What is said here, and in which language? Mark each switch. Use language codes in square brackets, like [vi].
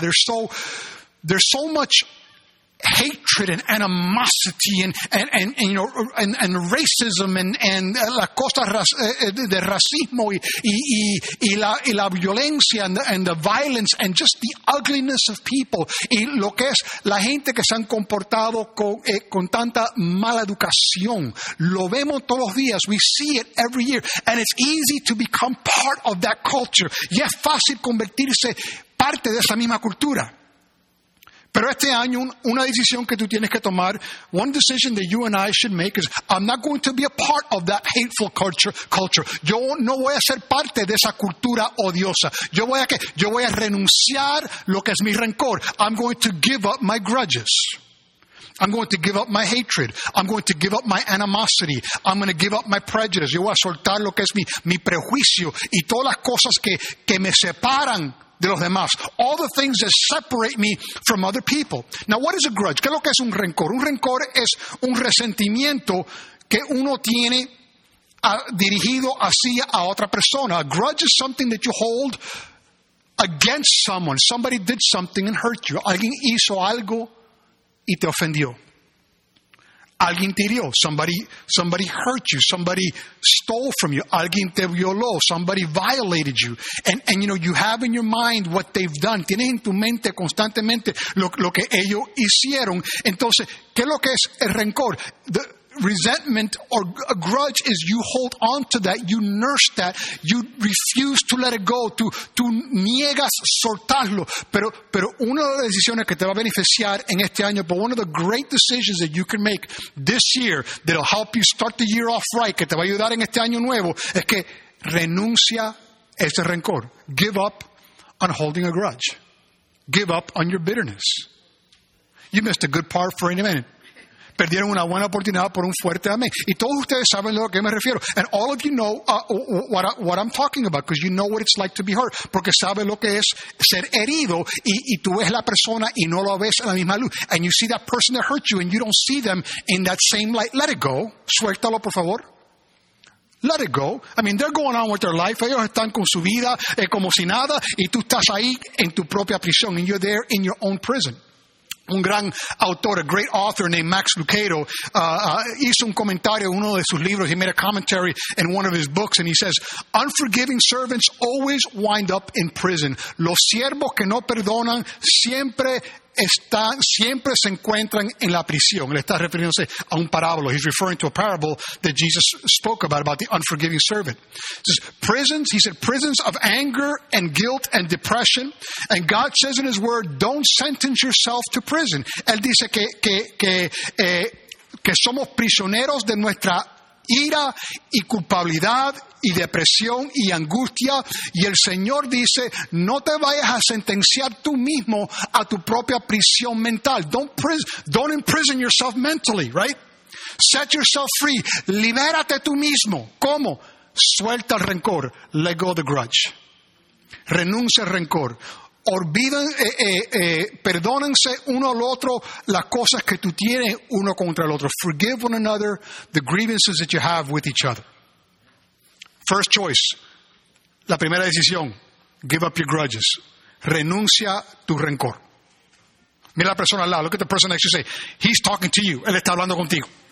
[en] There's so much hatred and animosity and racism and [es] las cosas de racismo y la violencia [en] and the violence and just the ugliness of people, [es] y lo que es la gente que se han comportado con tanta mala educación. Lo vemos todos los días. [en] We see it every year, and it's easy to become part of that culture. [es] Y es fácil convertirse parte de esa misma cultura. Pero este año, una decisión que tú tienes que tomar, [en] one decision that you and I should make is, I'm not going to be a part of that hateful culture. [es] Yo no voy a ser parte de esa cultura odiosa. Yo voy a renunciar lo que es mi rencor. [en] I'm going to give up my grudges. I'm going to give up my hatred. I'm going to give up my animosity. I'm going to give up my prejudice. [es] Yo voy a soltar lo que es mi prejuicio y todas las cosas que me separan de los demás. [en] All the things that separate me from other people. Now, what is a grudge? [es] ¿Qué es lo que es un rencor? Un rencor es un resentimiento que uno tiene dirigido hacia a otra persona. [en] A grudge is something that you hold against someone. Somebody did something and hurt you. [es] Alguien hizo algo y te ofendió. Alguien te hirió. [en] Somebody hurt you. Somebody stole from you. [es] Alguien te violó. [en] Somebody violated you. And you know, you have in your mind what they've done. [es] Tienes en tu mente constantemente lo que ellos hicieron. Entonces, ¿qué es lo que es el rencor? [en] The resentment or a grudge is you hold on to that. You nurse that. You refuse to let it go. [es] Tú niegas soltarlo. Pero una de las decisiones que te va a beneficiar en este año, [en] but one of the great decisions that you can make this year that will help you start the year off right, [es] que te va a ayudar en este año nuevo, es que renuncia ese rencor. [en] Give up on holding a grudge. Give up on your bitterness. You missed a good part for any minute. [es] Perdieron una buena oportunidad por un fuerte amén. Y todos ustedes saben de lo que me refiero. [en] And all of you know what I'm talking about, because you know what it's like to be hurt. [es] Porque sabe lo que es ser herido, y tú ves la persona y no lo ves en la misma luz. [en] And you see that person that hurt you, and you don't see them in that same light. Let it go. [es] Suéltalo, por favor. [en] Let it go. I mean, they're going on with their life. [es] Ellos están con su vida como si nada, y tú estás ahí en tu propia prisión. [en] And you're there in your own prison. [es] Un gran autor, [en] a great author named Max Lucado, [es] hizo un comentario en uno de sus libros. [en] He made a commentary in one of his books, and he says, unforgiving servants always wind up in prison. [es] Los siervos que no perdonan siempre están, siempre se encuentran en la prisión. Le está refiriéndose a un parábolo. [en] He's referring to a parable that Jesus spoke about the unforgiving servant. Says, prisons, he said, prisons of anger and guilt and depression. And God says in his word, don't sentence yourself to prison. [es] Él dice que somos prisioneros de nuestra ira y culpabilidad y depresión y angustia, y el Señor dice, no te vayas a sentenciar tú mismo a tu propia prisión mental. [en] Don't imprison yourself mentally, right? Set yourself free. [es] Libérate tú mismo. ¿Cómo? Suelta el rencor. [en] Let go the grudge. [es] Renuncia al rencor. Olviden, perdónense uno al otro las cosas que tú tienes uno contra el otro. [en] Forgive one another the grievances that you have with each other. First choice, [es] la primera decisión, [en] give up your grudges. [es] Renuncia tu rencor. Mira la persona al lado, [en] look at the person next to you, [es] say, he's talking to you, él está hablando contigo.